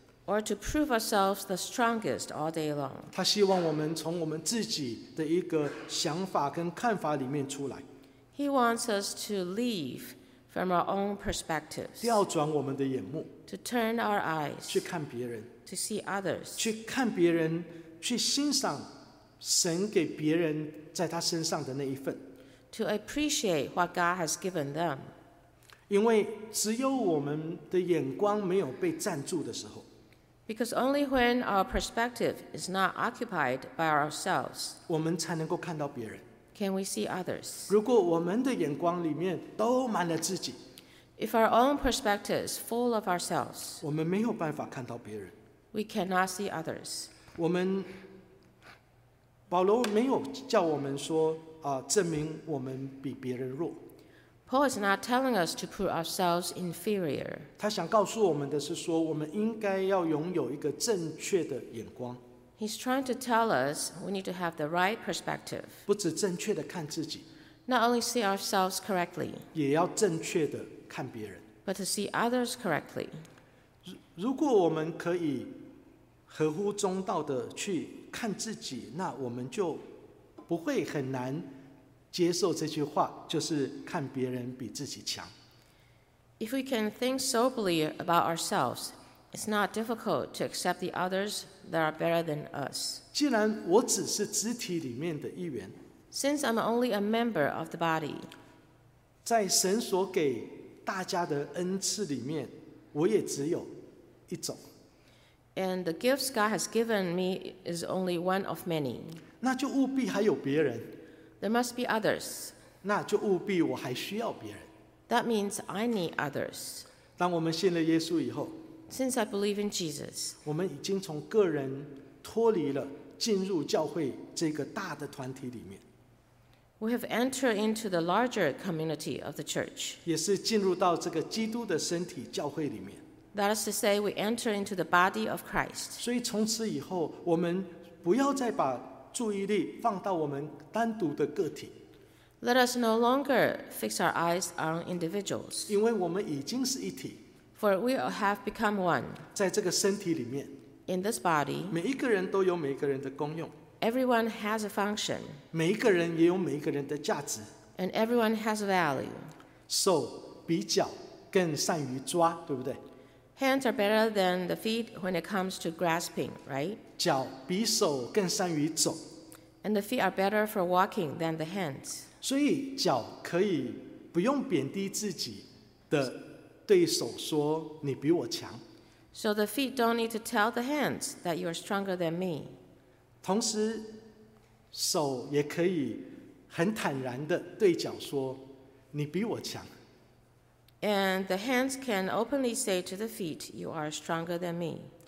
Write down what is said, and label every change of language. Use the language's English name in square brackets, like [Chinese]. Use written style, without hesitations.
[English] Or to prove ourselves the strongest all day long. [Chinese] 他希望我们从我们自己的一个想法跟看法里面出来。 [English] He wants us to leave from our own perspectives. [Chinese] 调转我们的眼目。 [English] To turn our eyes. [Chinese] 去看别人。 [English] To see others. [Chinese] 去看别人，去欣赏神给别人在他身上的那一份。 [English] To appreciate what God has given them. [Chinese] 因为只有我们的眼光没有被占住的时候。 [English] Because only when our perspective is not occupied by ourselves, [Chinese] 我们才能够看到别人。 [English] Can we see others? [Chinese] 如果我们的眼光里面都满了自己， [English] If our own perspective is full of ourselves, [Chinese] 我们没有办法看到别人。 [English] We cannot see others. [Chinese] 我们，保罗没有叫我们说，证明我们比别人弱。 [English] Paul is not telling us to put ourselves inferior. [Chinese] 他想告诉我们的是说，我们应该要拥有一个正确的眼光。 [English] He's trying to tell us we need to have the right perspective. [Chinese] 不只正确的看自己， [English] not only see ourselves correctly, [Chinese] 也要正确的看别人， [English] but to see others correctly. [Chinese] 如果我们可以合乎中道的去看自己，那我们就不会很难接受这句话，就是看别人比自己强。 [English] If we can think soberly about ourselves, it's not difficult to accept the others that are better than us. [Chinese] 既然我只是肢体里面的一员， [English] Since I'm only a member of the body, [Chinese] 在神所给大家的恩赐里面，我也只有一种。 [English] And the gifts God has given me is only one of many. [Chinese] 那就务必还有别人。 [English] There must be others. [Chinese] 那就务必我还需要别人。 [English] That means I need others. [Chinese] 当我们信了耶稣以后， [English] Since I believe in Jesus, [Chinese] 我们已经从个人脱离了，进入教会这个大的团体里面。 [English] We have entered into the larger community of the church. [Chinese] 也是进入到这个基督的身体教会里面。 [English] That is to say, we enter into the body of Christ. [Chinese] 所以从此以后，我们不要再把注意力放到我们单独的个体。 [English] Let us no longer fix our eyes on individuals. [Chinese] 因为我们已经是一体。 [English] For we have become one. [Chinese] 在这个身体里面。 [English] In this body. [Chinese] 每一个人都有每一个人的功用。 [English] Everyone has a function. [Chinese] 每一个人也有每一个人的价值。 [English] And everyone has a value. [Chinese] 手比脚更善于抓，对不对？ [English] Hands are better than the feet when it comes to grasping, right? [Chinese] 脚比手更善于走。 [English] And the feet are better for walking than the hands. [Chinese] 所以脚可以不用贬低自己的对手说你比我强。 [English] So the feet don't need to tell the hands that you are stronger than me. [Chinese] 同时手也可以很坦然地对脚说你比我强。 [English] And the hands can openly say to the feet, you are stronger than me.